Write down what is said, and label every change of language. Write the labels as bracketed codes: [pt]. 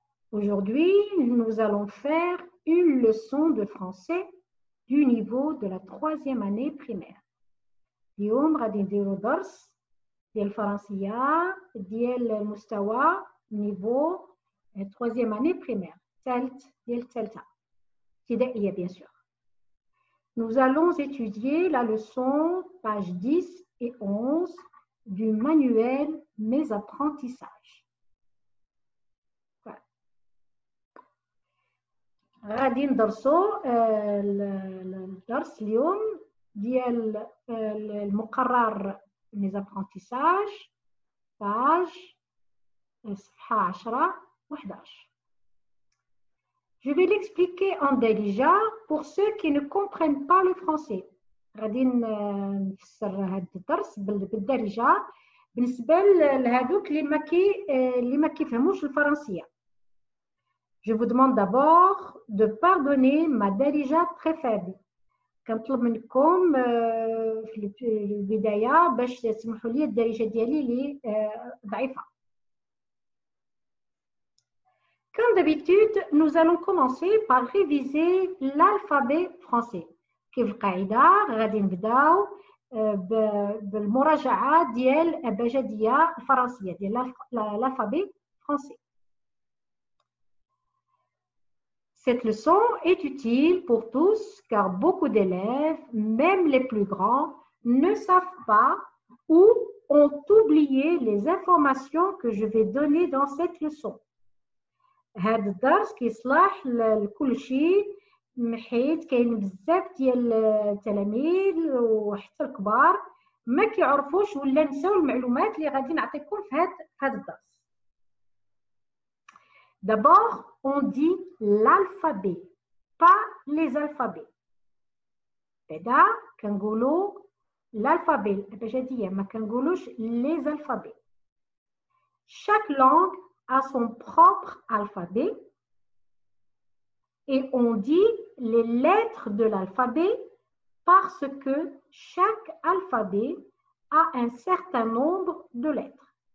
[fr] Aujourd'hui, nous allons faire une leçon de français du niveau de la troisième année primaire. [ar] اليوم غادي نديرو درس ديال الفرنسية ديال مستوى نيفو [fr] troisième année primaire. [ar] تالت ديال التالتة. ابتدائية [fr] bien sûr. Nous allons étudier la leçon page 10 et 11 du manuel Mes apprentissages. [ar] غادي ندرسو الدرس اليوم ديال المقرر [fr] Mes apprentissages page [ar] 10 و 11. [fr] Je vais l'expliquer en délija pour ceux qui ne comprennent pas le français. [ar] غادي نفسر هذا الدرس بالدارجة بالنسبة لهذوك اللي ما كيفهموش الفرنسية. [fr] Je vous demande d'abord de pardonner ma darija très faible. [ar] كنطلب منكم في البداية باش تسمحوا لي الدارجة ديالي اللي ضعيفة. [fr] Comme d'habitude, nous allons commencer par réviser l'alphabet français. [ar] كيف القاعدة غادي نبداو بالمراجعة ديال الأبجدية الفرنسية ديال الألفابي الفرنسي. [fr] Cette leçon est utile pour tous car beaucoup d'élèves, même les plus grands, ne savent pas ou ont oublié les informations que je vais donner dans cette leçon. [ar] هذا الدرس كيصلح لكل شيء حيت كاين بزاف ديال التلاميذ وحتى الكبار ما كيعرفوش ولا نساو المعلومات اللي غادي نعطيكم في هذا الدرس. [fr] D'abord, on dit l'alphabet, pas les alphabets. [ar] بعدا كنقولوا l'alphabet, الأبجدية ما كنقولوش les alphabets. [fr] Chaque langue à son propre alphabet et on dit les lettres de l'alphabet parce que chaque alphabet a un certain nombre de lettres.